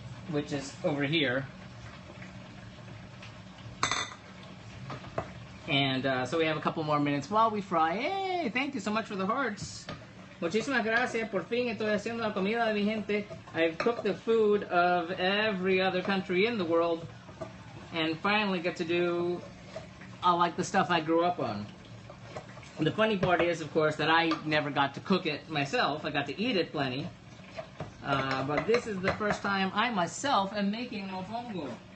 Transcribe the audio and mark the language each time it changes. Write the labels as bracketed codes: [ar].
[en] Which is over here. And so we have a couple more minutes while we fry. Hey, thank you so much for the hearts. [es] Muchísimas gracias. Por fin estoy haciendo la comida de mi gente. [en] I've cooked the food of every other country in the world and finally get to do all like the stuff I grew up on. The funny part is, of course, that I never got to cook it myself. I got to eat it plenty. But this is the first time I myself am making mofongo.